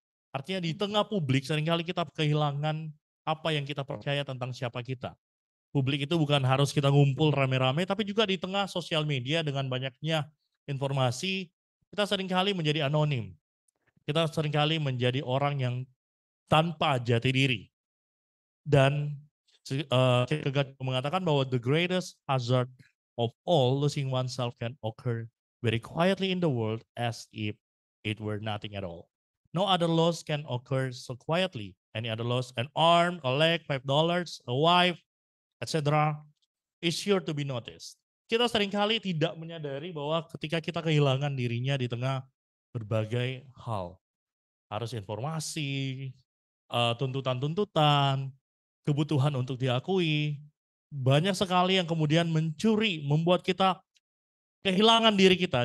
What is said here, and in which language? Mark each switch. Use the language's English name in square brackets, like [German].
[Indonesian] Artinya di tengah publik seringkali kita kehilangan apa yang kita percaya tentang siapa kita. Publik itu bukan harus kita ngumpul rame-rame, tapi juga di tengah sosial media dengan banyaknya informasi, kita seringkali menjadi anonim. Kita seringkali menjadi orang yang tanpa jati diri. Dan Kierkegaard mengatakan bahwa [English] the greatest hazard of all losing oneself can occur very quietly in the world as if it were nothing at all. No other loss can occur so quietly. Any other loss, an arm, a leg, $5, a wife, etc., is sure to be noticed. [Indonesian] Kita seringkali tidak menyadari bahwa ketika kita kehilangan dirinya di tengah berbagai hal. Arus informasi, tuntutan-tuntutan, kebutuhan untuk diakui. Banyak sekali yang kemudian mencuri, membuat kita kehilangan diri kita.